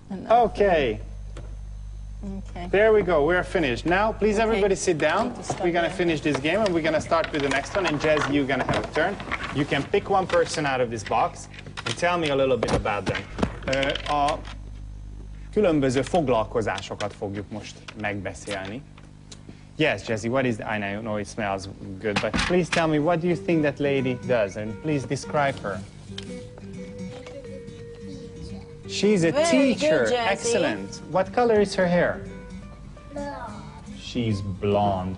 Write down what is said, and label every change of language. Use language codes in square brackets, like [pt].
[en] Okay. Okay. There we go. We're finished. Now, please, okay. Everybody sit down. We're going to finish this game, and we're going to start with the next one. And, Jez, you're going to have a turn. You can pick one person out of this box and tell me a little bit about them. [hu] Különböző foglalkozásokat fogjuk most megbeszélni. [en] Yes, Jesse, what is... I know it smells good, but please tell me, what do you think that lady does? And please describe her. She's a Very teacher. Good, excellent. What color is her hair? Blonde. She's blonde.